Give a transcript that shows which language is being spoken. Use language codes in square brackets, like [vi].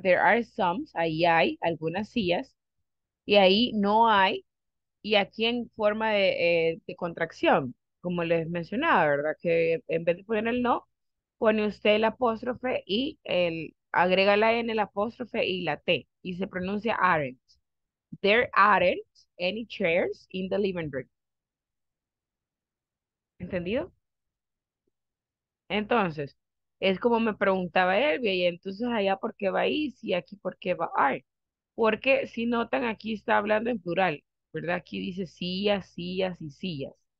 [en] There are some, [es] ahí hay algunas sillas, y ahí no hay, y aquí en forma de contracción, como les mencionaba, ¿verdad? Que en vez de poner el no, pone usted el apóstrofe y el, agrega la N, el apóstrofe y la T, y se pronuncia aren't. [en] There aren't any chairs in the living room. [es] ¿Entendido? Entonces, es como me preguntaba Elvia, y entonces allá por qué va ahí, y aquí por qué va ahí. Porque si notan, aquí está hablando en plural, ¿verdad? Aquí dice sillas, sillas y sillas.